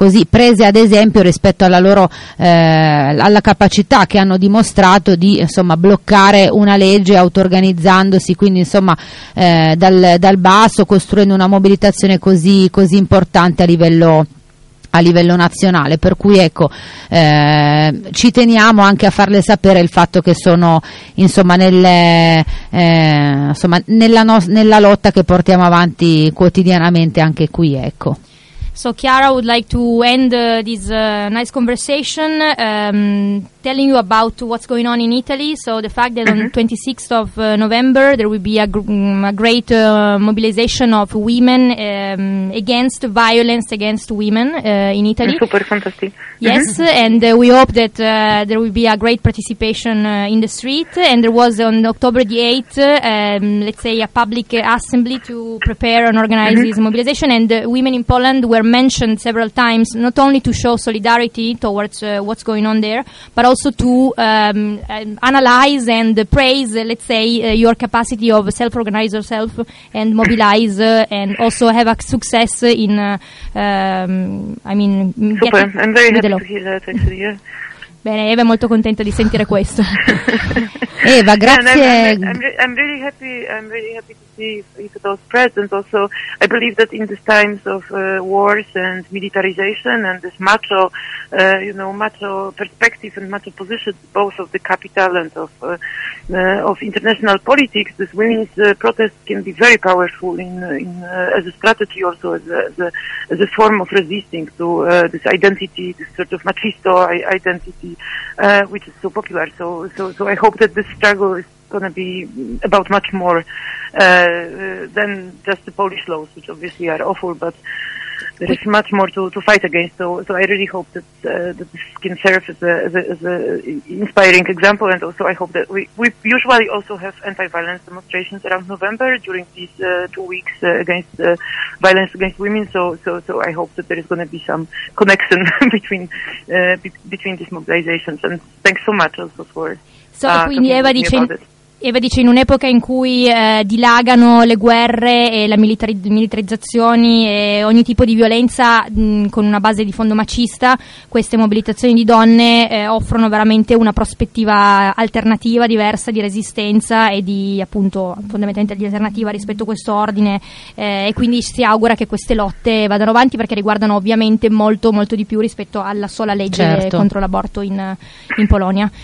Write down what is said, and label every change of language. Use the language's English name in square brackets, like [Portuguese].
[Italian] prese ad esempio rispetto alla loro alla capacità che hanno dimostrato di insomma bloccare una legge auto-organizzandosi, quindi insomma dal basso, costruendo una mobilitazione così, così importante a livello nazionale. Per cui ecco, ci teniamo anche a farle sapere il fatto che sono insomma nella lotta che portiamo avanti quotidianamente anche qui, ecco. [English] So Chiara would like to end this nice conversation telling you about what's going on in Italy. So the fact that on the 26th of November there will be a great mobilization of women against violence against women in Italy. Super fantastic. Yes, and we hope that there will be a great participation in the street. And there was on October the 8th, let's say a public assembly to prepare and organize this mobilization, and women in Poland were mentioned several times, not only to show solidarity towards what's going on there, but also to analyze and praise, let's say, your capacity of self-organize yourself and mobilize and also have a success in, super, I'm very happy to hear that, actually, yeah. [Italian] Bene, Eva è molto contenta di sentire questo. Eva, grazie. [English] I'm really happy to see you both present. Also, I believe that in these times of wars and militarization and this macho, macho perspective and macho position, both of the capital and of international politics, this women's protest can be very powerful in as a strategy, also as a form of resisting to this identity, this sort of machisto identity. Which is so popular. So I hope that this struggle is going to be about much more than just the Polish laws, which obviously are awful, but there is much more to fight against. So I really hope that that this can serve as a inspiring example. And also I hope that we usually also have anti-violence demonstrations around November during these 2 weeks against violence against women. So I hope that there is going to be some connection between these mobilizations. And thanks so much also for talking about it. [Italian] Eva dice, in un'epoca in cui dilagano le guerre e la militarizzazione e ogni tipo di violenza con una base di fondo machista, queste mobilitazioni di donne offrono veramente una prospettiva alternativa, diversa, di resistenza e di, appunto, fondamentalmente di alternativa rispetto a questo ordine, e quindi si augura che queste lotte vadano avanti, perché riguardano ovviamente molto molto di più rispetto alla sola legge, certo, contro l'aborto in Polonia.